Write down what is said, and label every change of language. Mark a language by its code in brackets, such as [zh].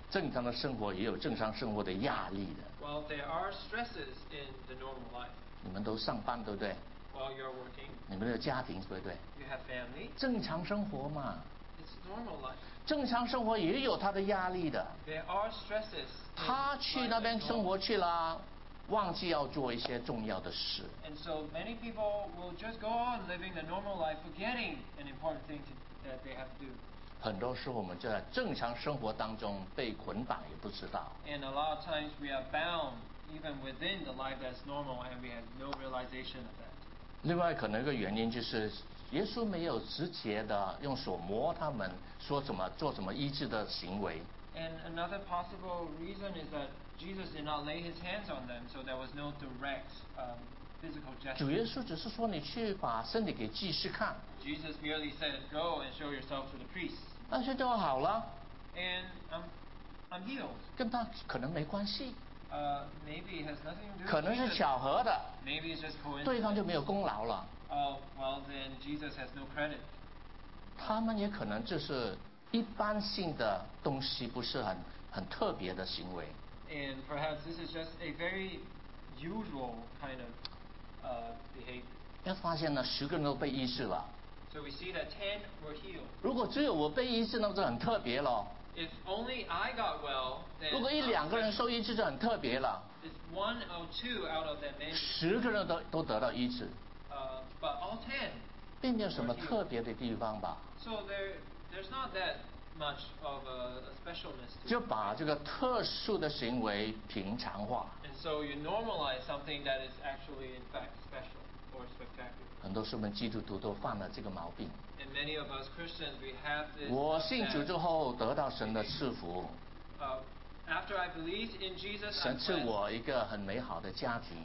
[zh] 正常的生活也有正常生活的压力的。 [en] Well, there are stresses in the normal life. [zh] 你们都上班对不对？ [en] While you're working. [zh] 你们有家庭对不对？ [en] You have family. [zh] 正常生活嘛。 [en] It's normal life. [zh] 正常生活也有它的压力的。 [en] There are stresses. [zh] 他去那边生活去了。忘记要做一些重要的事。 [en] And so many people will just go on living the normal life, forgetting an important thing that they have to do. [zh] 很多时候我们就在正常生活当中被捆绑也不知道。 [en] And a lot of times we are bound even within the life that's normal and we have no realization of that. [zh] 另外可能一个原因就是耶稣没有直接的用手摸他们说怎么做什么医治的行为。 [en] And another possible reason is that Jesus did not lay his hands on them, so there was no direct physical gesture. [zh] 主耶稣只是说你去把身体给祭司看。 [en] Jesus merely said, go and show yourself to the priest. [zh] 那些就好了。 [en] And I'm healed. [zh] 跟他可能没关系。 [en] Maybe it has nothing to do with [zh] 可能是巧合的。 [en] Maybe it's just coincidence. [zh] 对方就没有功劳了。 [en] Well then Jesus has no credit. [zh] 他们也可能就是一般性的东西不是很特别的行为。 [en] And perhaps this is just a very usual kind of behavior. [zh] 要发现呢，十个人都被医治了。 [en] So we see that ten were healed. [zh] 如果只有我被医治，那就很特别了。 [en] If only I got well, then. [zh] 如果一两个人受医治就很特别了。 [en] If one or two out of that many. [zh] 十个人都得到医治。 [en] But all ten. [zh] 并没有什么特别的地方吧。 [en] So there's not that. Much of a specialness to [zh] 就把这个特殊的行为平常化。 [en] And so you normalize something that is actually in fact special or spectacular. [zh] 很多时候我们基督徒都犯了这个毛病。 [en] And many of us Christians we have this. [zh] 我信主之后得到神的赐福。 [en] After I believed in Jesus, [zh] 神赐我一个很美好的家庭。